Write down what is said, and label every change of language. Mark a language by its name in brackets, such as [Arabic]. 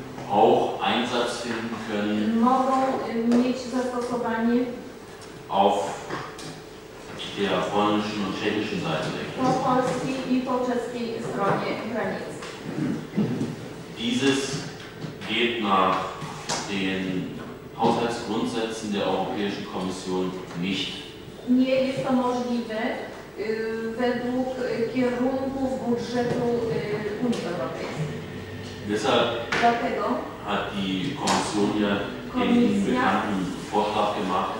[German] auch Einsatz finden können, [Polish] mogą mieć zastosowanie [German] auf der polnischen und tschechischen Seite der Grenze. [Polish] Po polskiej i po czeskiej stronie granic. [German] Dieses geht nach den Haushaltsgrundsätzen der Europäischen Kommission nicht. [Polish] Nie jest to możliwe według kierunków budżetu Unii Europejskiej. [German] Dlatego hat die Kommission ja den bekannten Vorschlag gemacht,